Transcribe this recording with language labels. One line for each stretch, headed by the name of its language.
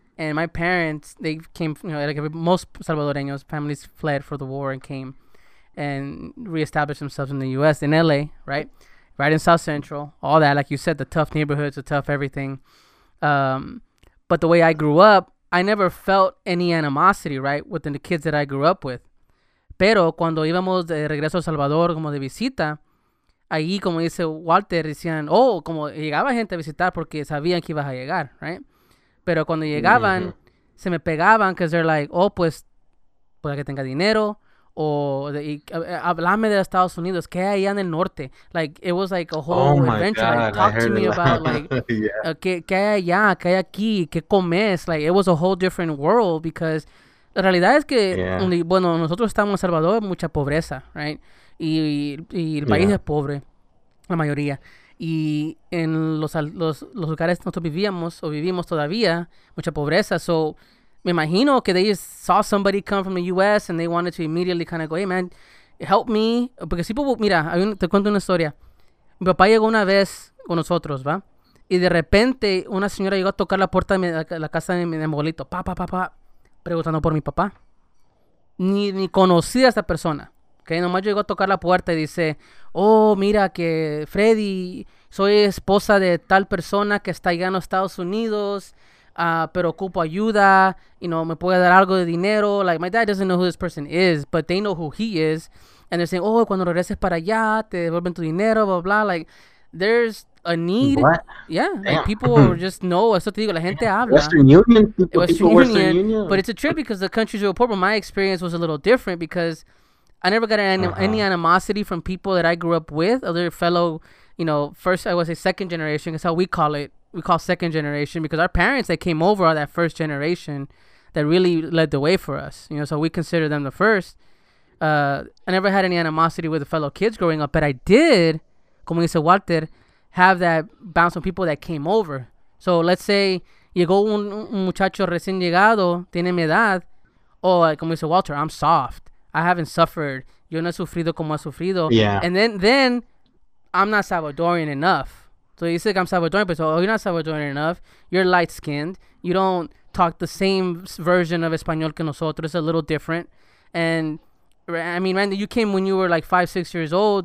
English: and my parents, they came, you know, like most Salvadoreños, families fled for the war and came and reestablished themselves in the U.S. in L.A., right? Right in South Central, all that, like you said, the tough neighborhoods, the tough everything. But the way I grew up, I never felt any animosity, right, within the kids that I grew up with.
Spanish: Pero cuando íbamos de regreso a El Salvador, como de visita, ahí, como dice Walter, decían, oh, como llegaba gente a visitar porque sabían que ibas a llegar,
English: right?
Spanish: Pero cuando llegaban, mm-hmm. se me pegaban
English: because they're like, oh,
Spanish: pues, para que tenga dinero. O hablame de Estados Unidos, que hay en el norte.
English: Like, it was like a whole adventure. God, like, talk to me about, like,
Spanish: que hay allá, que hay aquí, que comes.
English: Like, it was a whole different world because
Spanish: la realidad es que, bueno, nosotros estamos en Salvador, mucha pobreza,
English: right?
Spanish: Y el país es pobre, la mayoría. Y en los lugares donde nosotros vivíamos o vivimos todavía, mucha pobreza.
English: So,
Spanish: me imagino que
English: they saw somebody come from the U.S. and they wanted to immediately kind of go, hey, man, help me.
Spanish: Porque si, mira, te cuento una historia. Mi papá llegó una vez con nosotros, ¿va? Y de repente una señora llegó a tocar la puerta de la casa de mi abuelito. Pa, pa, pa, pa. Preguntando por mi papá. Ni conocí a esa persona. Okay, nomás llegó a tocar la puerta y dice, oh, mira que Freddy, soy esposa de tal persona que está allá en los Estados Unidos, pero ocupo ayuda,
English: you know,
Spanish: me puede dar algo de dinero.
English: Like, my dad doesn't know who this person is, but they know who he is. And they're saying, oh,
Spanish: cuando regreses para allá, te devuelven tu dinero, blah, blah.
English: Like, there's a need. What? Yeah. Damn. Like, people just know.
Spanish: Eso te digo, la gente habla.
English: Western Union. But it's a trip because the country's real poor. But my experience was a little different because I never got any animosity from people that I grew up with, other fellow, you know, first, I would say second generation, that's how we call it. We call second generation because our parents that came over are that first generation that really led the way for us. You know, so we consider them the first. I never had any animosity with the fellow kids growing up, but I did,
Spanish: como dice Walter,
English: have that bounce on people that came over. So let's say
Spanish: llegó un muchacho recién llegado, tiene mi edad, o como dice Walter,
English: I'm soft. I haven't suffered.
Spanish: Yo no he sufrido como ha sufrido.
English: Yeah. And then I'm not Salvadorian enough. So you think I'm Salvadorian, but so, oh, you're not Salvadorian enough. You're light-skinned. You don't talk the same version of Espanol
Spanish: que nosotros.
English: It's a little different. And, I mean, Randy, you came when you were like 5, 6 years old.